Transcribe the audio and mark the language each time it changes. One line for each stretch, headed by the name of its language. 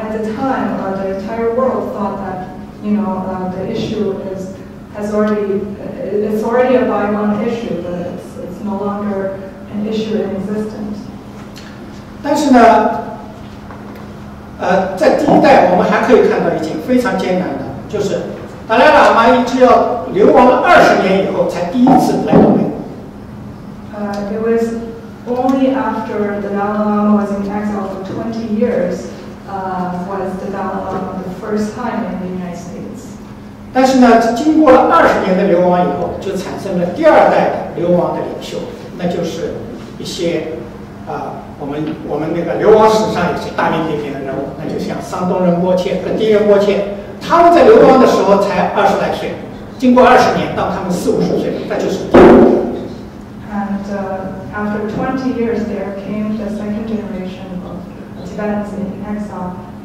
English: At the time, the entire world thought that, you know, the issue is already a bygone issue, but it's no longer an issue in existence.
Chinese: 但是呢，在第一代我们还可以看到已经非常艰难的，就是达赖喇嘛一直要流亡了20年以后才第一次来到美国。
English: It was only after the Dalai Lama was in exile for 20 years was the Dalai Lama the first time in the United States.
Chinese: 但是呢，经过了20年的流亡以后，就产生了第二代流亡的领袖，那就是一些我们那个流亡史上也是大名鼎鼎的人物，那就像桑东仁波切和丁仁波切，他们在流亡的时候才20来岁，经过20年到他们40-50岁，那就是第二代。
English: And after 20 years, there came the second generation of Tibetans in exile.